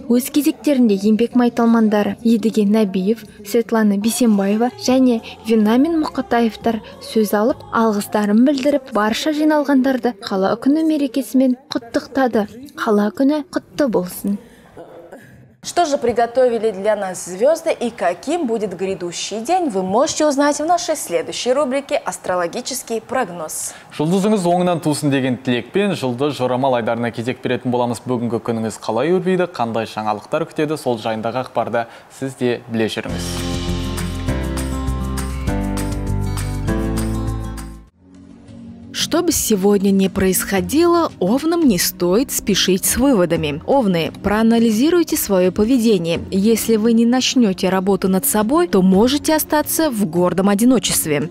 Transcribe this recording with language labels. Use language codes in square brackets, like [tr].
[kk] Өз кезектерінде еңбек майталмандары Едіген Набиев, Светлана Бисембаева және Винамин Мұқатаевтар сөз алып, алғыстарын білдіріп, барша жиналғандарды қала күні мерекесімен құттықтады. Қала күні құтты болсын. [ru] Что же приготовили для нас звезды и каким будет грядущий день, вы можете узнать в нашей следующей рубрике «Астрологический прогноз». [kk] Жұлдызыңыз оңынан тусын деген тілекпен жұлдыз жорамал айдарына кезек беретін боламыз. Бүгінгі күніңіз қалай өрбейді, қандай шаңалықтар күтеді, сол жайындағы ақпарды сіз де біле жүріңіз. [ru] Что бы сегодня ни происходило, овнам не стоит спешить с выводами. Овны, проанализируйте свое поведение. Если вы не начнете работу над собой, то можете остаться в гордом одиночестве.